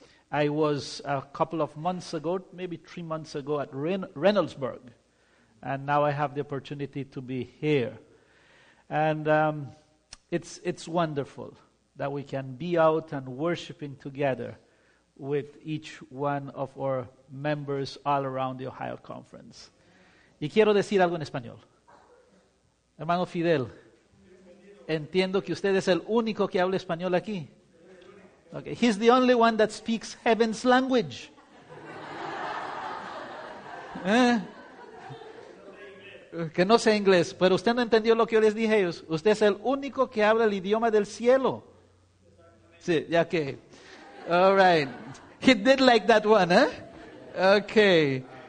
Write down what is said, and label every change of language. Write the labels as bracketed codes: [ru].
[en] I was a couple of months ago, maybe 3 months ago, at Reynoldsburg. And now I have the opportunity to be here. And it's wonderful that we can be out and worshiping together with each one of our members all around the Ohio Conference. [es] Y quiero decir algo en español. Hermano Fidel, entiendo que usted es el único que habla español aquí. [en] Okay. He's the only one that speaks heaven's language. [es] Que no sé inglés, pero usted no entendió lo que yo les dije. Usted es el único que habla el idioma del cielo. Sí, [en] okay. All right. He did like that one, eh? Okay.